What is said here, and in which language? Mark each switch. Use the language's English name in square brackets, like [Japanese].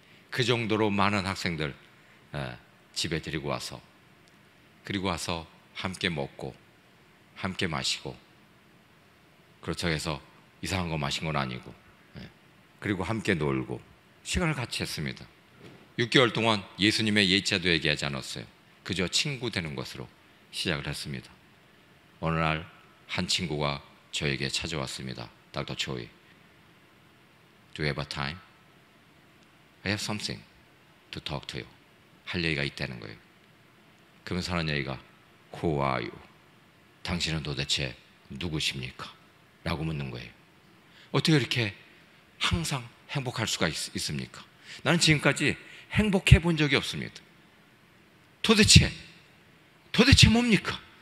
[Korean] 그 정도로 많은 학생들 집에 데리고 와서 그리고 와서 함께 먹고 함께 마시고 그렇다고 해서 이상한 거 마신 건 아니고 그리고 함께 놀고 시간을 같이 했습니다. 6개월 동안 예수님의 예자도 얘기하지 않았어요. 그저 친구 되는 것으로 시작을 했습니다. 어느 날 한 친구가 저에게 찾아왔습니다. [English] Dr. Choi, Do you have a time? I have something to talk to you. [Korean] 할 얘기가 있다는 거예요. 그러면서 하는 얘기가 [English] Who are you? [Korean] 당신은 도대체 누구십니까? 라고 묻는 거예요. 어떻게 이렇게 항상 행복할 수가 있습니까? 나는 지금까지 행복해 본 적이 없습니다. 도대체 뭡니까?